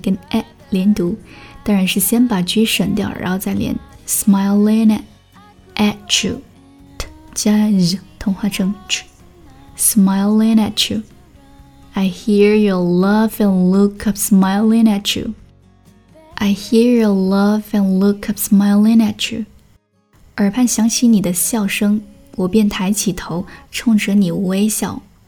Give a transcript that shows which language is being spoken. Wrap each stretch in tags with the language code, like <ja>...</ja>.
<zh>跟 at 连读，当然是先把 g 省掉，然后再连。</zh> <en>Smiling at you，</en> <zh>t 加 z 同化成 ch。</zh> <en>Smiling at you. I hear your love and look up smiling at you. I hear your love and look up smiling at you.</en> <zh>耳畔响起你的笑声，我便抬起头，冲着你微笑。</zh>